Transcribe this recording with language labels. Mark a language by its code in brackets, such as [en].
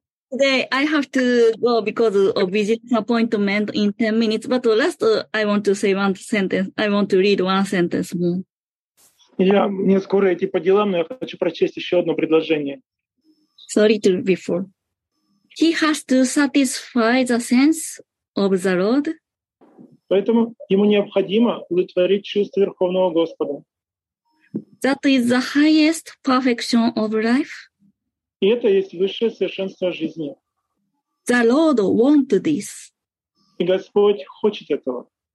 [en] Today I have to go because of visiting appointment in 10 minutes, but last I want to say one sentence. I want to read one sentence more. [ru] Я не скоро идти по делам, но я хочу прочесть еще одно предложение. [en] Sorry to before. He has to satisfy the sense of the Lord. [ru] Поэтому ему необходимо удовлетворить чувство Верховного Господа. [en] That is the highest perfection of life. [ru] И это есть высшее совершенство жизни. [en] The Lord wants this. [ru] И Господь хочет этого.